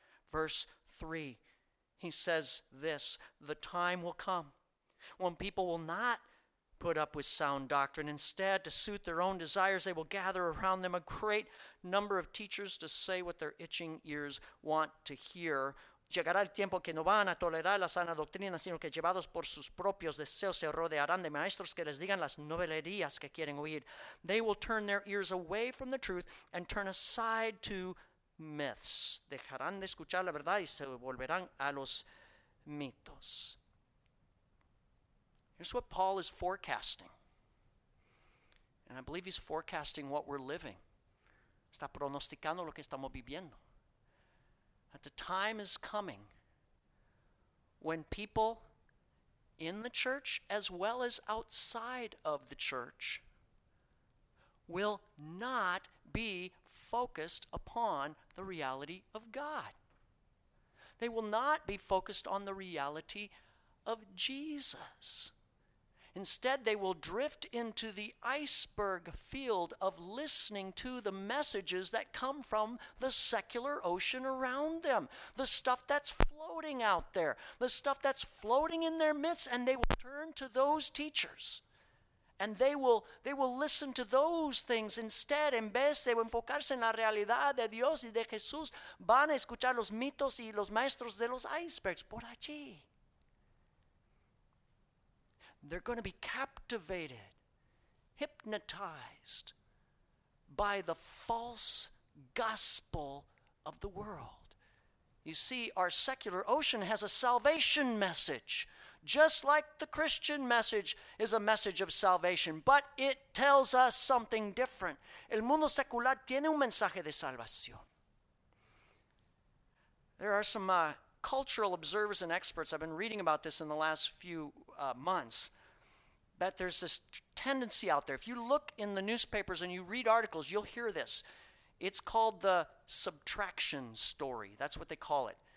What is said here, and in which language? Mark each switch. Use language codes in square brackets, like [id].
[en] Verse 3, he says this, the time will come when people will not put up with sound doctrine. Instead, to suit their own desires, they will gather around them a great number of teachers to say what their itching ears want to hear. [es] Llegará el tiempo que no van a tolerar la sana doctrina, sino que llevados por sus propios deseos se rodearán de maestros que les digan las novelerías que quieren oír. [en] They will turn their ears away from the truth and turn aside to myths. [es] Dejarán de escuchar la verdad y se volverán a los mitos. [en] Here's what Paul is forecasting. And I believe he's forecasting what we're living. [es] Está pronosticando lo que estamos viviendo. [en] That the time is coming when people in the church as well as outside of the church will not be focused upon the reality of God. They will not be focused on the reality of Jesus. Instead, they will drift into the iceberg field of listening to the messages that come from the secular ocean around them. The stuff that's floating out there. The stuff that's floating in their midst. And they will turn to those teachers. And they will listen to those things instead. [es] En vez de enfocarse en la realidad de Dios y de Jesús, van a escuchar los mitos y los maestros de los icebergs por allí. [en] They're going to be captivated, hypnotized by the false gospel of the world. You see, our secular ocean has a salvation message, just like the Christian message is a message of salvation, but it tells us something different. [es] El mundo secular tiene un mensaje de salvación. [en] There are some cultural observers and experts, I've been reading about this in the last few months, that there's this tendency out there. If you look in the newspapers and you read articles, you'll hear this. It's called the subtraction story. That's what they call it.